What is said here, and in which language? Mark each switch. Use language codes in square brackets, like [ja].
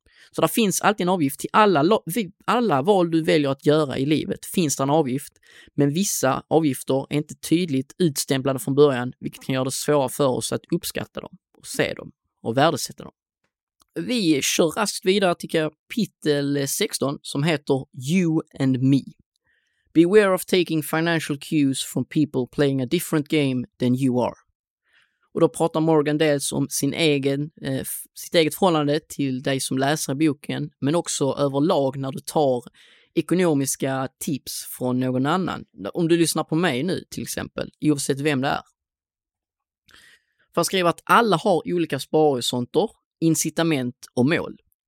[sv] Så det finns alltid en avgift till alla val du väljer att göra i livet. Finns det en avgift, men vissa avgifter är inte tydligt utstämplade från början, vilket kan göra det svårare för oss att uppskatta dem och se dem och värdesätta dem. Vi kör raskt vidare till kapitel 16 som heter You and Me. [en] Beware of taking financial cues from people playing a different game than you are. [sv] Och då pratar Morgan dels om sitt eget förhållande till dig som läser boken, men också överlag när du tar ekonomiska tips från någon annan. Om du lyssnar på mig nu till exempel, oavsett vem det är. För att skriva att alla har olika sparhorisonter, incitament och mål.